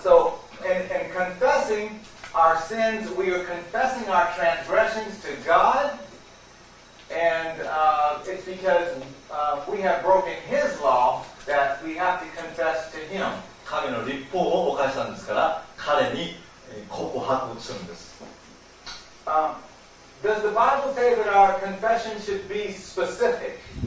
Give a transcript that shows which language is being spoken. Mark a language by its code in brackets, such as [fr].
[en] So in confessing our sins, we are confessing our transgressions to God. And it's because we have broken His law that we have to confess to Him. [ja] 神の律法を犯したんですから、彼に告白するんです。 [en] Does the Bible say that our confession should be specific?